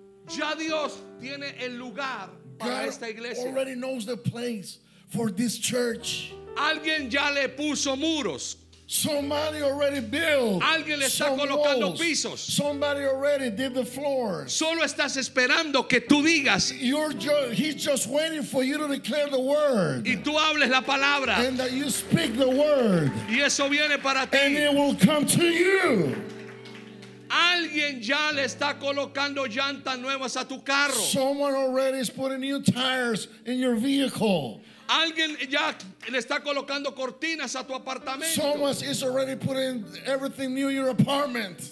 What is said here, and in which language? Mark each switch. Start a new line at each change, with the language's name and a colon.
Spanish: Ya Dios tiene el lugar para esta iglesia.
English: God already knows the place for this church.
Spanish: Alguien ya le puso muros.
English: Somebody already built.
Spanish: Alguien le está colocando pisos.
English: Somebody already did the floor.
Spanish: Solo estás esperando que tú digas.
English: He's just waiting for you to declare the word.
Spanish: Y tú hables la palabra.
English: And that you speak the word.
Spanish: Y eso viene para ti.
English: And it will come to you.
Spanish: Alguien ya le está colocando llantas nuevas a tu carro.
English: Someone already is putting new tires in your vehicle.
Spanish: Alguien ya le está colocando cortinas a tu apartamento.
English: Someone is already putting everything new in your apartment.